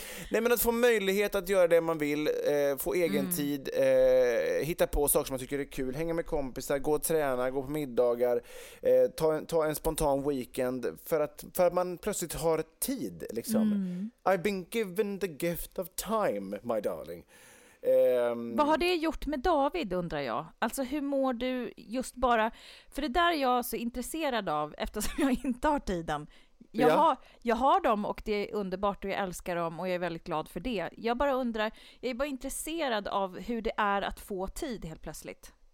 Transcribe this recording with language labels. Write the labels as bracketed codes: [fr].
[sv] Nej, men att få möjlighet att göra det man vill. Få egen tid. Hitta på saker som man tycker är kul. Hänga med kompisar, gå och träna, gå på middagar. Ta en spontan weekend. För att man plötsligt har tid. Liksom. Mm. [en] I've been given the gift of time, my darling. [sv] Vad har det gjort med David, undrar jag? Alltså, hur mår du just bara... För det där är jag så intresserad av, eftersom jag inte har tiden. Jag har dem och det är underbart och jag älskar dem och jag är väldigt glad för det. Jag är bara intresserad av hur det är att få tid helt plötsligt.